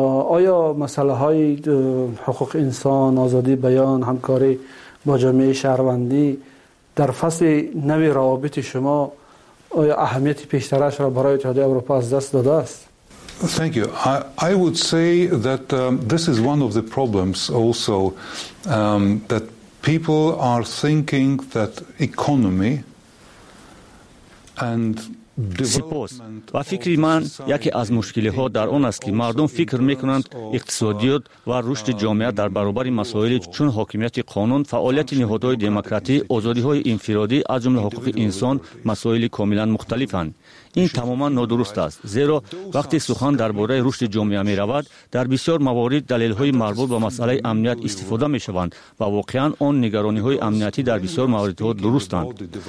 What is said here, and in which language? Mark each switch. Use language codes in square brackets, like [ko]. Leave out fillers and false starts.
[fa] آیا مسئله های حقوق انسان، آزادی بیان، همکاری با جامعه شهروندی در فصل نو روابط شما آیا اهمیت بیشترش را برای اتحادیه اروپا از دست داده است؟ [en] Thank you. I would say that this is one of the problems also that people are thinking that economy and [fa] سپاس. و فکر من یکی از مشکلی ها در آن است که مردم فکر میکنند اقتصادیات و رشد جامعه در برابر مسائل چون حاکمیت قانون، فعالیت نهادهای دموکراتی، آزادی های انفرادی از جمله حقوق انسان مسائل کاملا مختلفند. این تماما نادرست است، زیرا وقتی سخن درباره رشد جامعه می رود در بسیار موارد دلایل های مربوط به مسئله امنیت استفاده می شوند و واقعا آن نگرانی های امنیتی در بسیار موارد ها درستند.